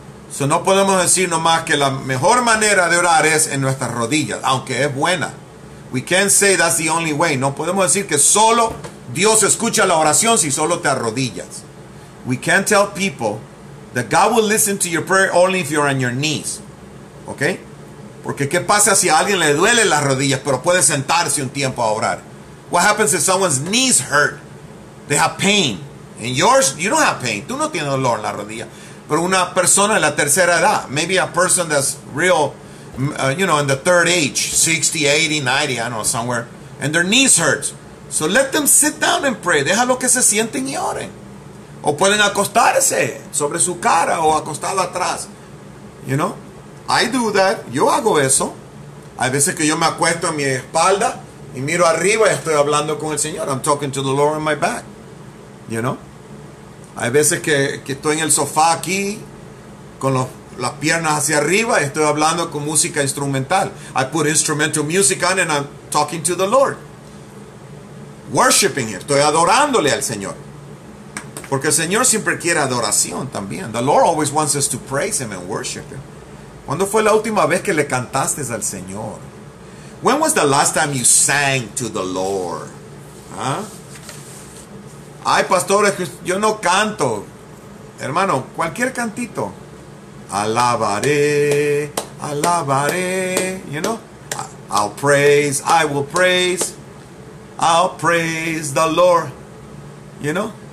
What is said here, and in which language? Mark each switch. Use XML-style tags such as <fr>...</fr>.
<es>So no podemos decir nomás que la mejor manera de orar es en nuestras rodillas, aunque es buena.</es> <en>We can't say that's the only way.</en> <es>No podemos decir que solo Dios escucha la oración si solo te arrodillas.</es> <en>We can't tell people that God will listen to your prayer only if you're on your knees. Okay?</en> <es>Porque ¿qué pasa si a alguien le duele las rodillas pero puede sentarse un tiempo a orar?</es> <en>What happens if someone's knees hurt? They have pain. And yours, you don't have pain.</en> <es>Tú no tienes dolor en la rodilla. Pero una persona de la tercera edad,</es> <en>maybe a person that's real, in the third age, 60, 80, 90, I don't know, somewhere, and their knees hurt. So let them sit down and pray.</en> <es>Déjalo que se sienten y oren. O pueden acostarse sobre su cara o acostado atrás.</es> <en>You know? I do that.</en> <es>Yo hago eso. Hay veces que yo me acuesto en mi espalda y miro arriba y estoy hablando con el Señor.</es> <en>I'm talking to the Lord on my back. You know?</en> <es>Hay veces que estoy en el sofá aquí con las piernas hacia arriba y estoy hablando con música instrumental.</es> <en>I put instrumental music on and I'm talking to the Lord. Worshiping Him.</en> <es>Estoy adorándole al Señor. Porque el Señor siempre quiere adoración también.</es> <en>The Lord always wants us to praise Him and worship Him.</en> <es>¿Cuándo fue la última vez que le cantaste al Señor?</es> <en>When was the last time you sang to the Lord?</en> <es>¿Ah? Ay, pastores, yo no canto. Hermano, cualquier cantito. Alabaré, alabaré.</es> <en>You know? I'll praise, I will praise. I'll praise the Lord. You know?</en>